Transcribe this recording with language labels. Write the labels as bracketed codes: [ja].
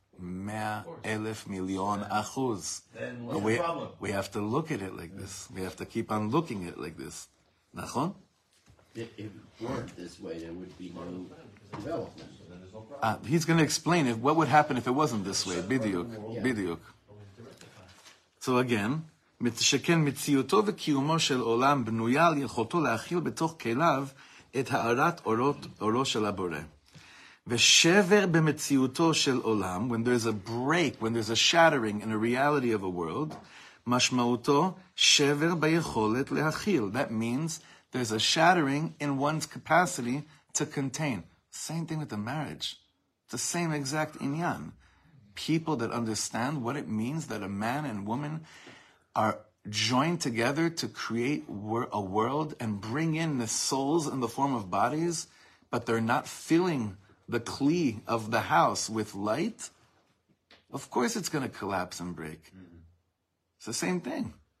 [en] 100,000 million achuz. Then what's the problem? We have to look at it like this. We have to keep on looking at it like this. [he] Nachon? [en] If it weren't this way, there would be no development. He's going to explain if, what would happen if it wasn't this way. [he] Bidiyuk. [en] Yeah. [he] Bidiyuk. [en] So again, [he] שכן מציאותו וקיומו של עולם בנויה על יכולתו להכיל בתוך כליו את הערת אורו של הבורא. ושבר במציאותו של עולם, [en] when there's a break, when there's a shattering in a reality of a world, [he] משמעותו שבר ביכולת להכיל. [en] That means there's a shattering in one's capacity to contain. Same thing with the marriage. It's the same exact inyan. People that understand what it means that a man and woman are joined together to create a world and bring in the souls in the form of bodies, but they're not filling the kli of the house with light, of course it's going to collapse and break. Mm-hmm. It's the same thing.